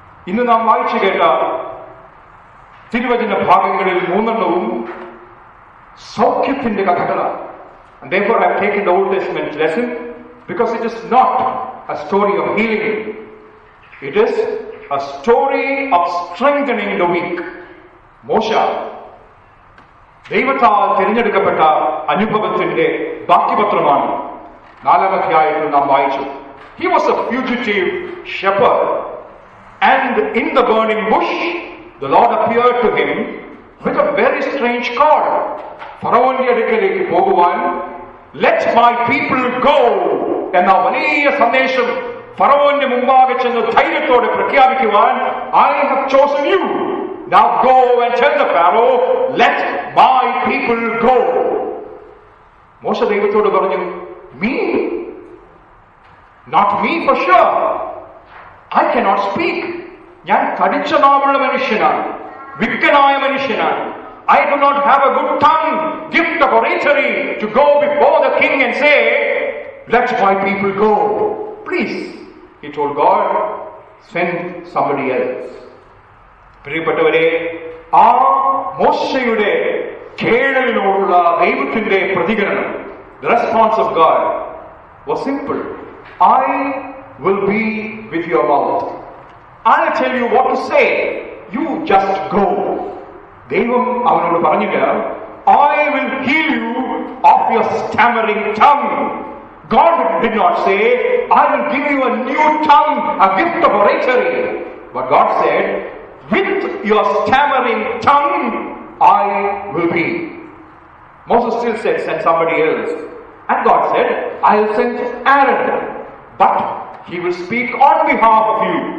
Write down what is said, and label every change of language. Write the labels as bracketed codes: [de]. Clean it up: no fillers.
[ml] ഇന്ന് നാം വായിച്ചു കേട്ട തിരുവചന ഭാഗങ്ങളിൽ മൂന്നെണ്ണവും സൗഖ്യത്തിന്റെ കഥകളാണ്. [en] Therefore, I have taken the Old Testament lesson because it is not a story of healing. It is a story of strengthening the weak. [ml] മോശ ദൈവത്താൽ തിരഞ്ഞെടുക്കപ്പെട്ട അനുഭവത്തിന്റെ ബാക്കിപത്രമാണ് നാലാം അധ്യായത്തിൽ നാം വായിച്ചു. [en] He was a fugitive shepherd, and in the burning bush, the Lord appeared to him with a very strange call. [ml] ഫറവോന്റെ അടുക്കലേക്ക് പോകുവാൻ, [en] let my people go [ml] എന്ന വലിയ സന്ദേശം ഫറവോന്റെ മുമ്പാകെ ചെന്ന് ധൈര്യത്തോടെ പ്രഖ്യാപിക്കുവാൻ, [en] I have chosen you. Now go and tell the Pharaoh, let my people go. [ml] മോശ ദൈവത്തോട് പറഞ്ഞു, [en] me? Not me for sure. I cannot speak. [ml] ഞാൻ കടിച്ച നാവുള്ള മനുഷ്യനാണ്, വിക്കനായ മനുഷ്യനാണ്. [en] I do not have a good tongue, gift of oratory, to go before the king and say, let my people go. Please, he told God, send somebody else. [ml] പ്രിയപ്പെട്ടവരെ, ആ മോശയുടെ കേളലിനോടുള്ള ദൈവത്തിന്റെ പ്രതികരണം, [en] the response of God was simple. I will be with your mouth. I'll tell you what to say. You just go. [ml] ദൈവം അവനോട് പറഞ്ഞില്ല, [en] I will heal you of your stammering tongue. God did not say, I will give you a new tongue, a gift of oratory. But God said, with your stammering tongue, I will be. Moses still said, send somebody else. And God said, I'll send Aaron, but he will speak on behalf of you.